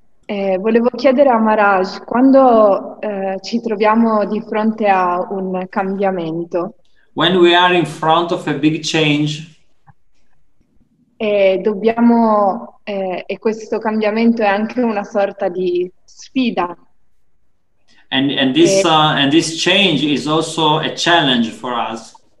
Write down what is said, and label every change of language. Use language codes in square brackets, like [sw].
[it] Volevo chiedere a Maharaj, quando ci troviamo di fronte a un cambiamento, [en] when we are in front of a big change, [it] e questo cambiamento è anche una sorta di sfida. [en] And this change is also a challenge for us.